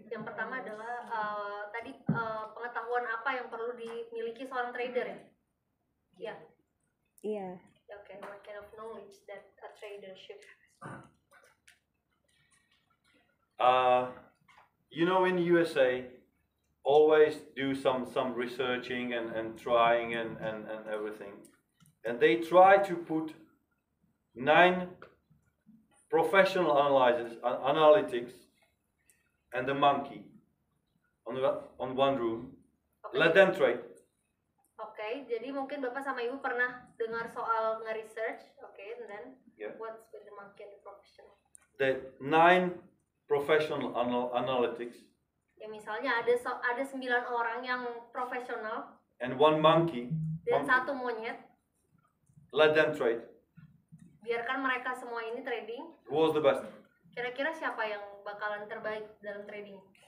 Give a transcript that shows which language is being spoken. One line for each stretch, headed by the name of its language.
Indonesian: Yang pertama adalah pengetahuan apa yang perlu dimiliki seorang trader ya? Iya. Iya.
English: Yeah. Oke, okay. What kind of knowledge that a trader should have? You know, in USA, always do some researching and trying and everything, and they try to put 9 professional analyzers, analytics, and the monkey on one room. Okay. Let them trade.
Indonesian: Okay, jadi mungkin Bapak sama Ibu pernah dengar soal nge-research.
English: Okay, and then yeah. What's with the monkey and the professional? The 9 professional analytics.
Indonesian: Ya misalnya ada 9 orang yang profesional.
English: And one monkey.
Indonesian: Dan satu monyet.
English: Let them trade.
Indonesian: Biarkan mereka semua ini trading.
English: Who was the best?
Indonesian: Kira-kira siapa yang bakalan terbaik dalam trading?